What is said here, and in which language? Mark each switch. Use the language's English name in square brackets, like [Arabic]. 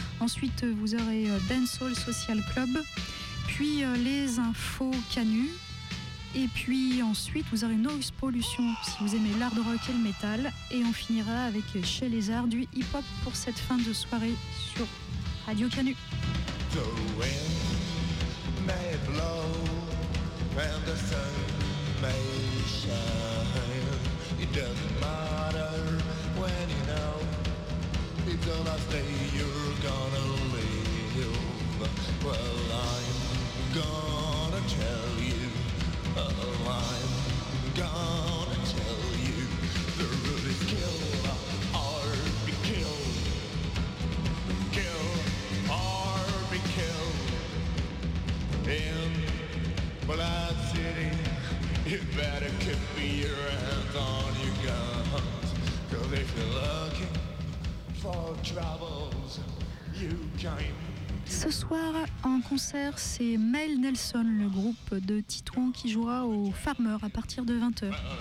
[French] Ensuite, vous aurez Dancehall Social Club, puis les infos Canu. Et puis ensuite, vous aurez Noise Pollution si vous aimez l'hard rock et le métal. Et on finira avec Chez les Arts du hip-hop pour cette fin de soirée sur Radio Canu. [English] The wind may blow and the sun may shine. It doesn't matter when you know it's the last day you're gonna live. Well, I'm gonna tell you. Oh, I'm gonna tell you, the rule is kill or be killed. Kill or be killed. In Blood City, you better keep your hands on your guns. Cause if you're looking for troubles, you can't. [French] Ce soir, en concert, c'est Mel Nelson, le groupe de Titouan, qui jouera au Farmer à partir de 20h.